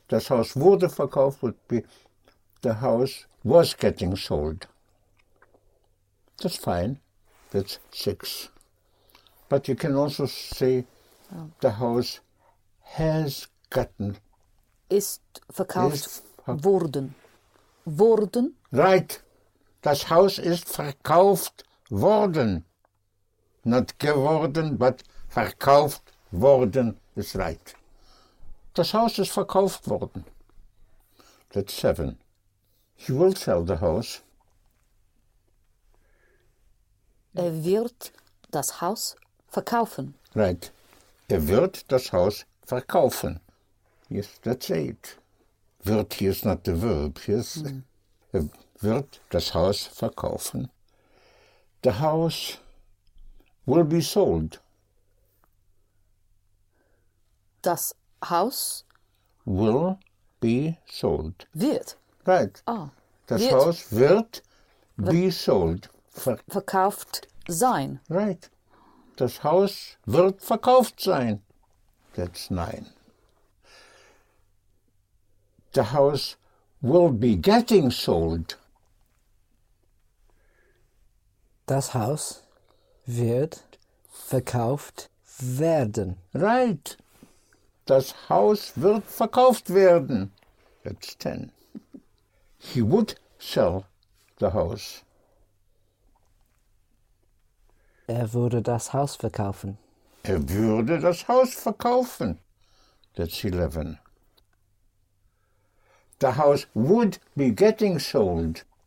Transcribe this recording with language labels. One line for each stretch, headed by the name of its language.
German: Das Haus wurde verkauft
English: would be the house was getting sold. That's fine. That's six. But you can also say the house has gotten.
German: Ist verkauft worden. Worden?
English: Right.
German: Das Haus ist verkauft worden. Not geworden, but verkauft worden is right. Das Haus ist verkauft worden.
English: That's seven. He will sell the house.
German: Wird das Haus verkaufen.
English: Right.
German: Wird das Haus verkaufen.
English: Yes, that's eight. Wird, here's not the verb, yes.
German: wird das Haus verkaufen.
English: The house will be sold.
German: Das Haus
English: will be sold.
German: Wird.
English: Right. Oh.
German: Das wird. Haus wird
English: be sold.
German: Verkauft sein.
English: Right.
German: Das Haus wird verkauft sein.
English: That's nine. The house will be getting sold.
German: Das Haus wird verkauft werden.
English: Right.
German: Das Haus wird verkauft werden.
English: That's ten. He would sell the house.
German: Er würde das Haus verkaufen. Er würde das Haus verkaufen.
English: That's 11. The house would be getting sold.